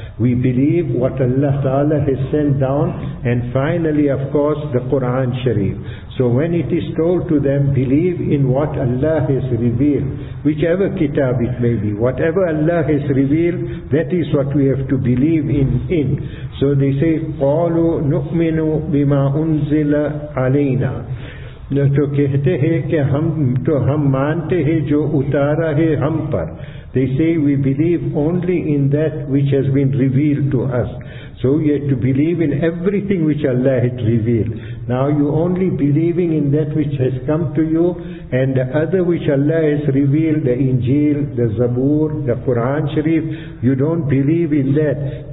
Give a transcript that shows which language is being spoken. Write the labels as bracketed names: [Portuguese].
[English] We believe what Allah Ta'ala has sent down, and finally, of course, the Quran Sharif. So when it is told to them, believe in what Allah has revealed, whichever kitab it may be, whatever Allah has revealed, that is what we have to believe in. So they say, [Arabic] قَالُوا نُؤْمِنُوا بِمَا أُنزِلَ عَلَيْنَا. [Urdu] تو کہتے ہیں کہ ہم تو ہم مانتے ہیں جو اتارا ہے ہم پر. [English] They say, we believe only in that which has been revealed to us. So we have to believe in everything which Allah has revealed. Now you only believing in that which has come to you, and the other which Allah has revealed, the Injil, the Zabur, the Quran Sharif, you don't believe in that.